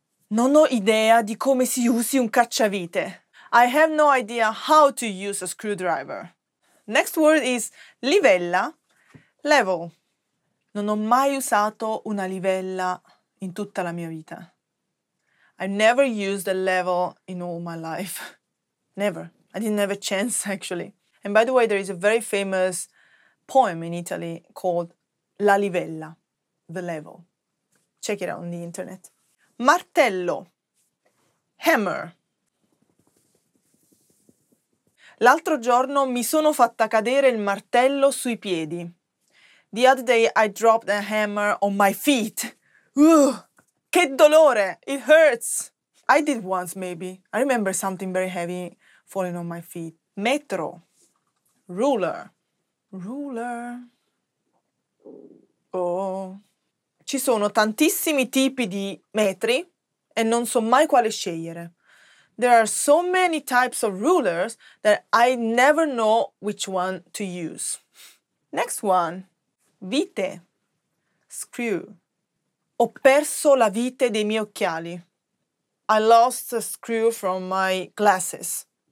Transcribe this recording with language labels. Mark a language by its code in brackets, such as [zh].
[it] Non ho idea di come si usi un cacciavite. [en] I have no idea how to use a screwdriver. Next word is livella, level. [it] Non ho mai usato una livella in tutta la mia vita. [en] I never used a level in all my life. Never. I didn't have a chance, actually. And by the way, there is a very famous poem in Italy called La Livella, The Level. Check it out on the internet. Martello. Hammer. [it] L'altro giorno mi sono fatta cadere il martello sui piedi. [en] The other day I dropped a hammer on my feet. Ugh. [it] Che dolore! [en] It hurts! I did once, maybe. I remember something very heavy falling on my feet. Metro. Ruler. Ruler. Oh. [it] Ci sono tantissimi tipi di metri e non so mai quale scegliere. [en] There are so many types of rulers that I never know which one to use. Next one. Vite. Screw. [it] Ho perso la vite dei miei occhiali. [en] I lost a screw from my glasses.